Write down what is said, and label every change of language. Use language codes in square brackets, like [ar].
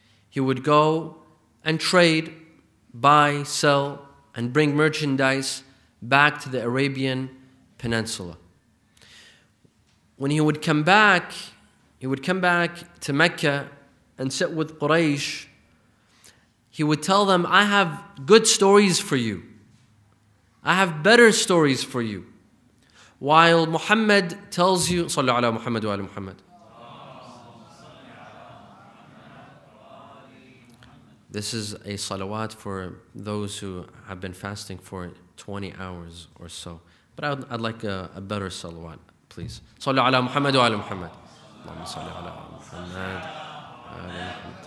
[en] He would go and trade, buy, sell, and bring merchandise back to the Arabian Peninsula. When he would come back, he would come back to Mecca and sit with Quraysh. He would tell them, I have good stories for you. I have better stories for you. While Muhammad tells you, [ar] صلى على محمد وآل محمد. [en] This is a salawat for those who have been fasting for 20 hours or so. But I'd like a better salawat, please. [ar] صلى على محمد وآل محمد. اللهم صلى على محمد وآل محمد.